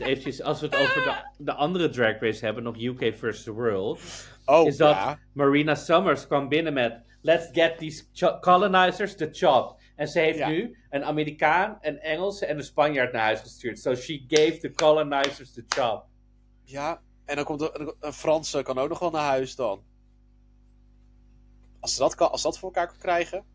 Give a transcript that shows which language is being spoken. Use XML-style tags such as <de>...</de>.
<nl>eventjes als we het over de andere drag race hebben... nog UK vs. The World... Oh, is dat Marina Summers kwam binnen met...</nl> <en>Let's get these colonizers the chop.</en> <nl>En ze heeft nu een Amerikaan, een Engelse en een Spanjaard naar huis gestuurd.</nl> <en>So she gave the colonizers the chop.</en> <nl>Ja, en dan komt een Franse kan ook nog wel naar huis dan. Als ze dat voor elkaar kan krijgen.</nl>